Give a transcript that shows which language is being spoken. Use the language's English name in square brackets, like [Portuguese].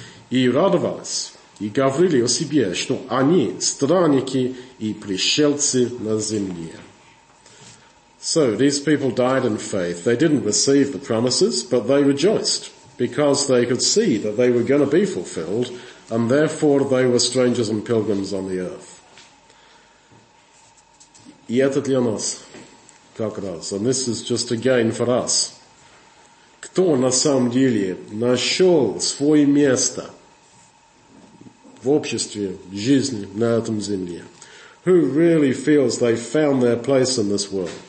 [Russian] И радовались, и говорили о себе, что они странники и пришельцы на земле. [English] So, these people died in faith. They didn't receive the promises, but they rejoiced. Because they could see that they were going to be fulfilled, and therefore they were strangers and pilgrims on the earth. [Russian] И это для нас, как раз. [English] And this is just again for us. [Russian] Кто на самом деле нашел свое место в обществе, в жизни на этом земле? [English] Who really feels they found their place in this world?